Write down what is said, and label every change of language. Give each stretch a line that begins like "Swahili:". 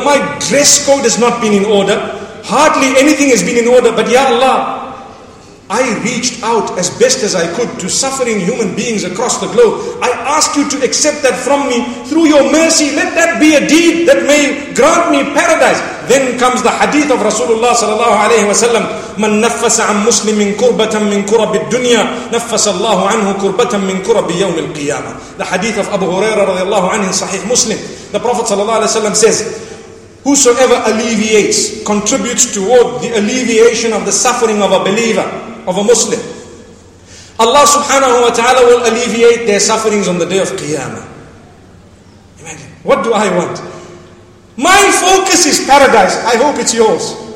English: My dress code has not been in order. Hardly anything has been in order. But Ya Allah, I reached out as best as I could to suffering human beings across the globe. I ask you to accept that from me through your mercy. Let that be a deed that may grant me paradise. Then comes the hadith of Rasulullah sallallahu alayhi wa sallam.
Arabic: مَن نَفَّسَ عَن مُسْلِمٍ كُرْبَةً مِن كُرَبِ الدُّنْيَا نَفَّسَ اللَّهُ عَنْهُ كُرْبَةً مِن كُرَبِ يَوْمِ الْقِيَامَةِ
English: The hadith of Abu Huraira radiallahu anhu in Sahih Muslim. The Prophet sallallahu alayhi wa sallam says, whosoever alleviates, contributes toward the alleviation of the suffering of a believer, of a Muslim, Allah subhanahu wa ta'ala will alleviate their sufferings on the day of Qiyamah. Imagine, what do I want? My focus is paradise. I hope it's yours.